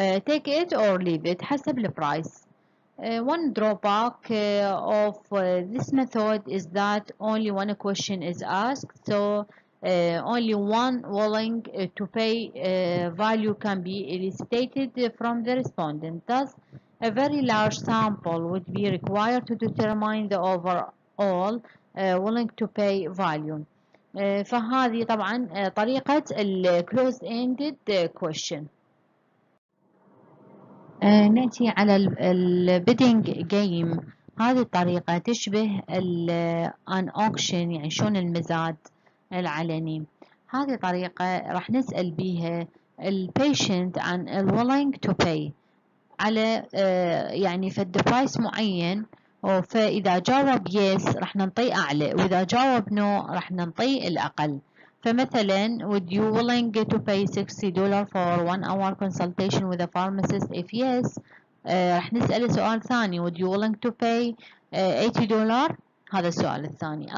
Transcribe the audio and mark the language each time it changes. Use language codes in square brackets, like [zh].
[en] Take it or leave it. حسب the price. One drawback of this method is that only one question is asked, so only one willing to pay value can be elicited from the respondent. Thus, a very large sample would be required to determine the overall willing to pay value. [ar] فهذه طبعا طريقة الـ closed-ended question. نأتي على البيدنج جيم. هذه الطريقة تشبه الان اوكشن، يعني شون المزاد العلني. هذه طريقة راح نسأل بيها البيشنت عن الويلنج تو باي على يعني فد برايس معين، فإذا جاوب يس راح نعطيه أعلى، وإذا جاوب نو راح نعطيه الأقل. [en] فمثلاً would you willing to pay $60 for 1 hour consultation with a pharmacist? If yes [ar] رح نسأل سؤال ثاني [en] would you willing to pay $80؟ [ar] هذا السؤال الثاني.